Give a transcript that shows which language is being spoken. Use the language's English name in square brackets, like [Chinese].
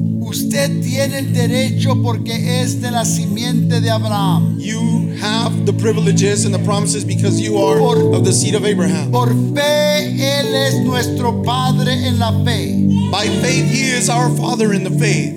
[Spanish] Usted tiene el derecho porque es de la simiente de Abraham. [English] You have the privileges and the promises because you are of the seed of Abraham. [Spanish] Por fe, él es nuestro padre en la fe. [English] By faith, he is our father in the faith.